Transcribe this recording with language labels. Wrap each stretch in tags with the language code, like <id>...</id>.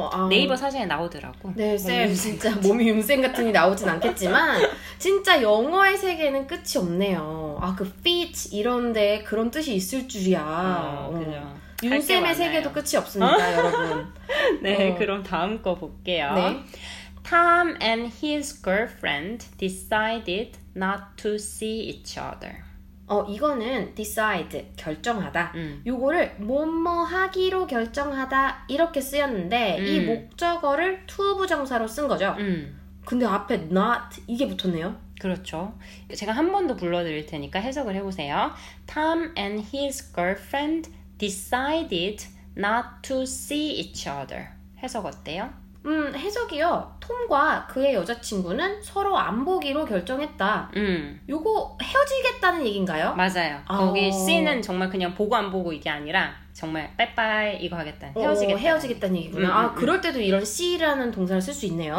<ko>네이버 사전에 나오더라고. 네, 쌤 진짜 몸이 윤쌤 같은이 나오진 않겠지만 진짜 영어의 세계에는 끝이 없네요. 아, 그 fit 이런데 그런 뜻이 있을 줄이야. 그죠. 윤쌤의 세계도 끝이 없습니다, 여러분. 네, 그럼 다음 거 볼게요. 네.</ko> <en>Tom and his girlfriend decided not to see each other.</en> <ko>이거는 decide, 결정하다. 요거를 뭐뭐 하기로 결정하다 이렇게 쓰였는데 이 목적어를 to 부정사로 쓴 거죠. 근데 앞에 not 이게 붙었네요. 그렇죠. 제가 한 번 더 불러드릴 테니까 해석을 해보세요.</ko> <en>Tom and his girlfriend decided not to see each other.</en> <ko>해석 어때요? 해석이요. 톰과 그의 여자친구는 서로 안 보기로 결정했다. 요거 헤어지겠다는 얘기인가요? 맞아요. 거기 씨는 정말 그냥 보고 안 보고 이게 아니라 정말 빠이빠이 이거 하겠다. 헤어지겠다는 얘기구나. 아, 그럴 때도 이런 씨라는 동사를 쓸 수 있네요.</ko>